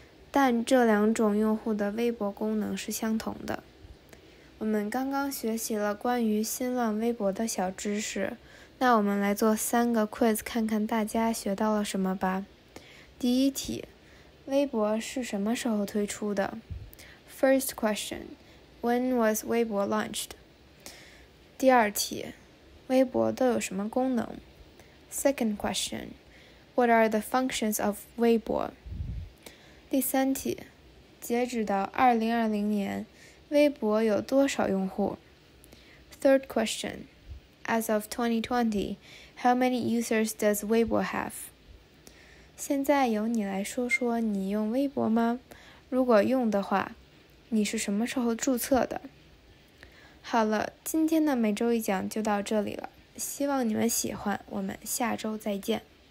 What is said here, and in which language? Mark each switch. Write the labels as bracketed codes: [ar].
[zh] 但这两种用户的微博功能是相同的。我们刚刚学习了关于新浪微博的小知识，那我们来做三个 quiz， 看看大家学到了什么吧。第一题，微博是什么时候推出的？ [en] First question, when was 微博 launched? [zh] 第二题，微博都有什么功能？ [en] Second question, what are the functions of 微博？ [zh] 第三题，截止到2020年，微博有多少用户？ [en] Third question,As of 2020, how many users does Weibo have? [zh] 现在由你来说说你用微博吗？如果用的话，你是什么时候注册的？好了，今天的每周一讲就到这里了，希望你们喜欢，我们下周再见。